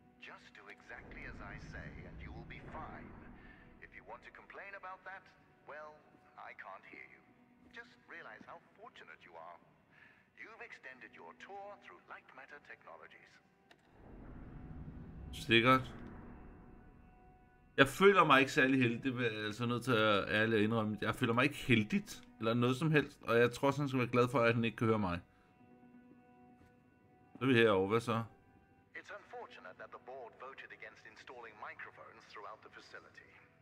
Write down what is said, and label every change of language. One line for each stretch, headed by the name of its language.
English: Just do exactly as I say and you will be fine. If you want to complain about that, well, I can't hear you. Just realize how fortunate you are. You've extended your tour through Light Matter Technologies.
Danish: Sikkert. Jeg føler mig ikke særlig heldig, det er altså nødt til at ærligt at indrømme. Jeg føler mig ikke heldigt, eller noget som helst, og jeg tror, han skal være glad for, at han ikke kan høre mig. Så er vi herovre, hvad så?
English: It's unfortunate that the board voted against installing microphones throughout the facility.